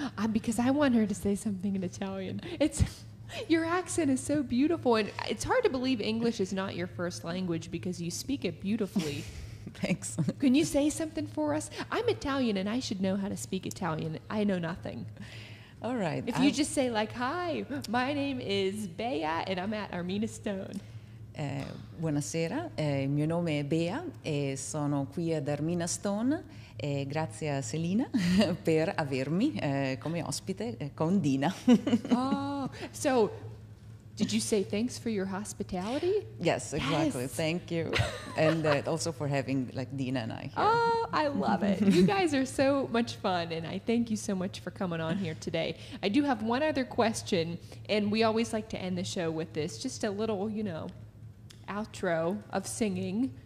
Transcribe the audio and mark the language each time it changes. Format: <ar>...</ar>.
<en>Because I want her to say something in Italian. Your accent is so beautiful, and it's hard to believe English is not your first language because you speak it beautifully. Thanks. Can you say something for us? I'm Italian, and I should know how to speak Italian. I know nothing. All right. If you just say, like, hi, my name is Bea, and I'm at Armina Stone.</en> <it>Buonasera, il mio nome è Bea e sono qui ad Armina Stone. E grazie a Celina per avermi come ospite con Dina.</it> <en>Oh, so did you say thanks for your hospitality? Yes, exactly. Yes. Thank you. And also for having like Dina and I here. Oh, I love it. You guys are so much fun, and I thank you so much for coming on here today. I do have one other question, and we always like to end the show with this, just a little, outro of singing.</en>